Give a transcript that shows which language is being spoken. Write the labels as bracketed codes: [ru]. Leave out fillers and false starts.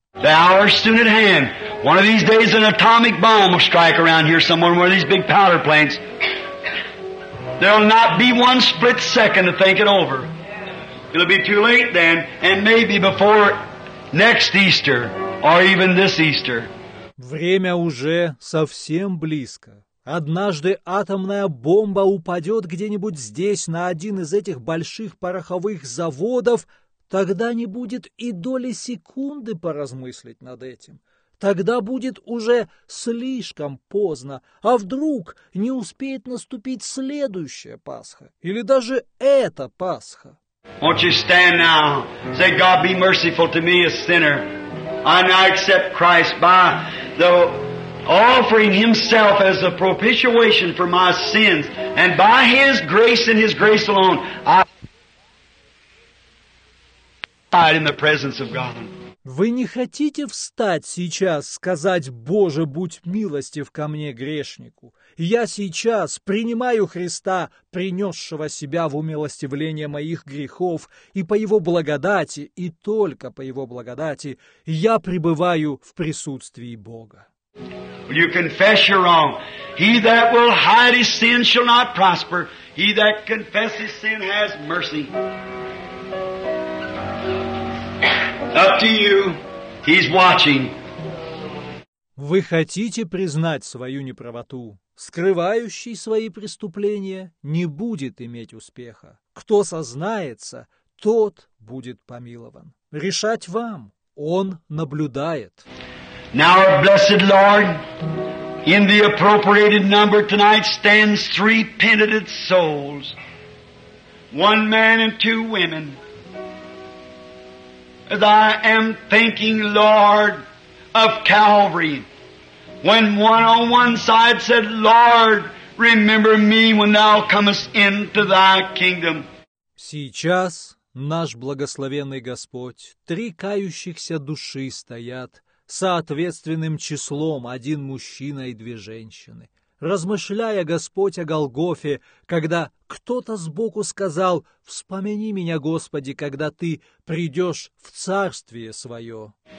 [en] The hour is soon at hand. One of these days an atomic bomb will strike around here somewhere in one of these big powder plants. There'll not be one split second to think it over. It'll be too late then, and maybe before next Easter, or even this Easter. [ru] Время уже совсем близко. Однажды атомная бомба упадет где-нибудь здесь, на один из этих больших пороховых заводов, тогда не будет и доли секунды поразмыслить над этим. Тогда будет уже слишком поздно, а вдруг не успеет наступить следующая Пасха, или даже эта Пасха. [en] Won't you stand now? Say, God, be merciful to me, a sinner. I now accept Christ by the offering Himself as a propitiation for my sins, and by His grace and His grace alone, I died in the presence of God. [ru] Вы не хотите встать сейчас, сказать: «Боже, будь милостив ко мне, грешнику! Я сейчас принимаю Христа, принесшего себя в умилостивление моих грехов, и по Его благодати, и только по Его благодати, я пребываю в присутствии Бога». [en] You confess your wrong. He that will hide his sin shall not prosper. He that confesses sin has mercy. Up to you. He's watching. [ru] Вы хотите признать свою неправоту? Скрывающий свои преступления не будет иметь успеха. Кто сознается, тот будет помилован. Решать вам. Он наблюдает. [en] Now, blessed Lord, in the appropriated number tonight stands three penitent souls, one man and two women. As I am thinking, Lord, of Calvary, when one on one side said, Lord, remember me when thou comest into thy kingdom. [ru] Сейчас наш благословенный Господь, три кающихся души стоят, соответственным числом один мужчина и две женщины. Размышляя, Господь, о Голгофе, когда кто-то сбоку сказал: «Вспомяни меня, Господи, когда Ты придешь в Царствие Свое».